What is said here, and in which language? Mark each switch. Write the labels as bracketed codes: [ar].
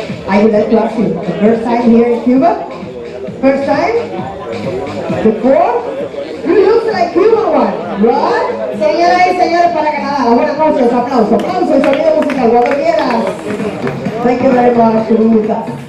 [en] I would like to ask you, the first time here in Cuba? First time? Before? You look like Cuba one, right? [es] Señoras y señores para Canadá, las buenas noches, aplauso, aplauso y sonido musical, cuando quieras. [en] Thank you very much, Luisa.